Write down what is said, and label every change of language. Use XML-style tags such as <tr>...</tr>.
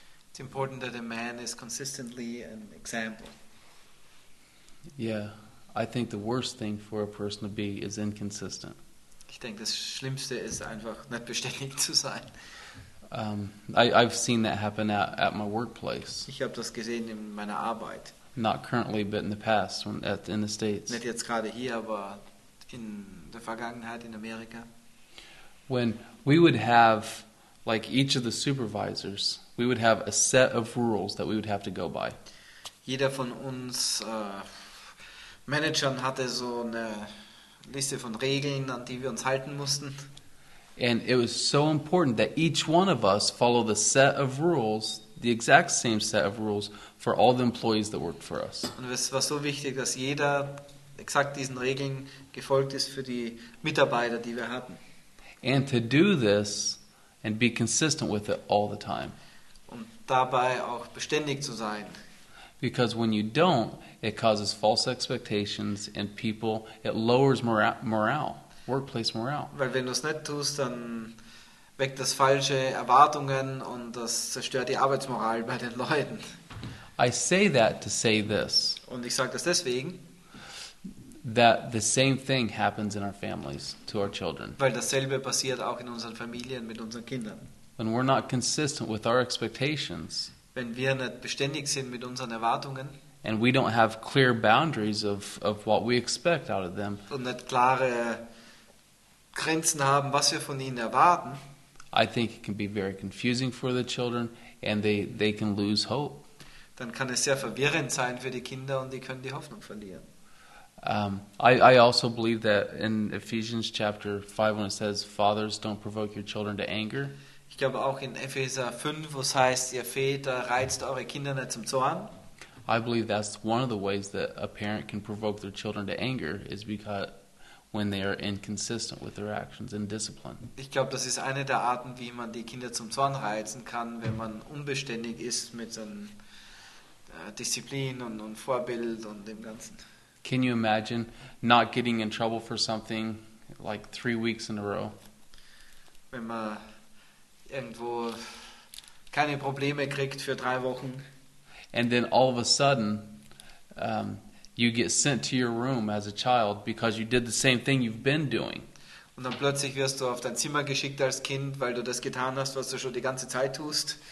<en>It's important that a man is consistently an example. Yeah. I think the worst thing for a person to be is inconsistent.</en> <de>Ich denke, das Schlimmste ist einfach nicht beständig zu sein.</de> <en>I've seen that happen at my workplace.</en> <de>Ich habe das gesehen in meiner Arbeit.</de> <en>Not currently, but in the past, in the States.</en> <de>Nicht jetzt gerade hier, aber in der Vergangenheit in Amerika.</de> <en>When we would have, like each of the supervisors, we would have a set of rules that we would have to go by.</en> <de>Jeder von uns Managern hatte so eine Liste von Regeln, an die wir uns halten mussten.</de> <en>And it was so important that each one of us follow the set of rules, the exact same set of rules for all the employees that worked for us.</en> <de>Und es war so wichtig, dass jeder exakt diesen Regeln gefolgt ist für die Mitarbeiter, die wir hatten.</de> <en>And to do this and be consistent with it all the time.</en> <de>Und dabei auch beständig zu sein.</de> <en>Because when you don't, it causes false expectations and people, it lowers morale, workplace morale.</en> <de>Weil wenn du es nicht tust, dann weckt das falsche Erwartungen und das zerstört die Arbeitsmoral bei den Leuten.</de> <en>I say that to say this.</en> <de>Und ich sage das deswegen.</de> <en>That the same thing happens in our families, to our children.</en> <de>Weil dasselbe passiert auch in unseren Familien mit unseren Kindern.</de> <en>When we're not consistent with our expectations.</en> <de>Wenn wir nicht beständig sind mit unseren Erwartungen.</de> <en>And we don't have clear boundaries of what we expect out of them.</en> <de>Und nicht klare Grenzen haben, was wir von ihnen erwarten.</de> <en>I think it can be very confusing for the children, and they can lose hope.</en> <de>Dann kann es sehr verwirrend sein für die Kinder, und die können die Hoffnung verlieren.</de> <en>I also believe that in Ephesians chapter 5, when it says, "Fathers, don't provoke your children to anger."</en> <de>Ich glaube auch in Epheser 5, wo es heißt, ihr Väter, reizt eure Kinder nicht zum Zorn.</de> <en>I believe that's one of the ways that a parent can provoke their children to anger is because when they are inconsistent with their actions and discipline.</en> <de>Ich glaube, das ist eine der Arten, wie man die Kinder zum Zorn reizen kann, wenn man unbeständig ist mit seinen Disziplin und Vorbild und dem Ganzen.</de> <en>Can you imagine not getting in trouble for something like 3 weeks in a row?</en> <de>Wenn man irgendwo keine Probleme kriegt für 3 Wochen.</de> <en>And then all of a sudden, you get sent to your room as a child because you did the same thing you've been doing.</en> <de>Und dann plötzlich wirst du auf dein Zimmer geschickt als Kind, weil du das getan hast, was du schon die ganze Zeit tust.</de>